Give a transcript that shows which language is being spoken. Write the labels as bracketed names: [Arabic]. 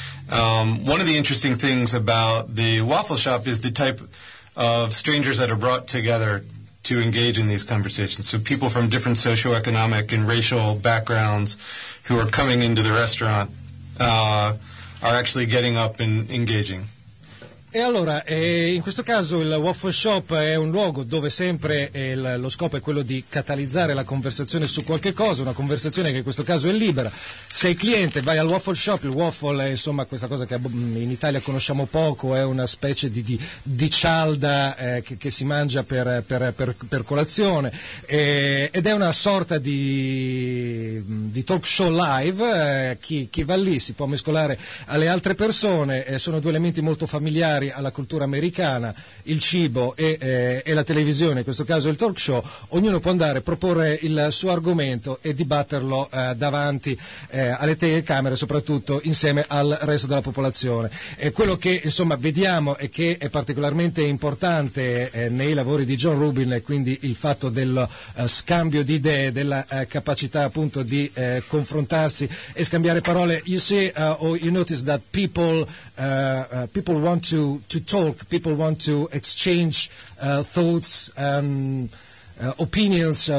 [English] One of the interesting things about the waffle shop is the type of strangers that are brought together to engage in these conversations. So people from different socioeconomic and racial backgrounds who are coming into the restaurant are actually getting up and engaging. [Italian] E allora, in questo caso il Waffle Shop è un luogo dove sempre lo scopo è quello di catalizzare la conversazione su qualche cosa, una conversazione che in questo caso è libera. Sei cliente, vai al Waffle Shop, il waffle è insomma questa cosa che in Italia conosciamo poco, è una specie di cialda che si mangia per colazione, ed è una sorta di talk show live, chi va lì si può mescolare alle altre persone, sono due elementi molto familiari alla cultura americana, il cibo e la televisione, in questo caso il talk show. Ognuno può andare, proporre il suo argomento e dibatterlo davanti alle telecamere, soprattutto insieme al resto della popolazione. E quello che insomma vediamo e che è particolarmente importante nei lavori di John Rubin, quindi il fatto dello scambio di idee, della capacità appunto di confrontarsi e scambiare parole. [English] You see you notice that people want to talk, people want to exchange thoughts and opinions.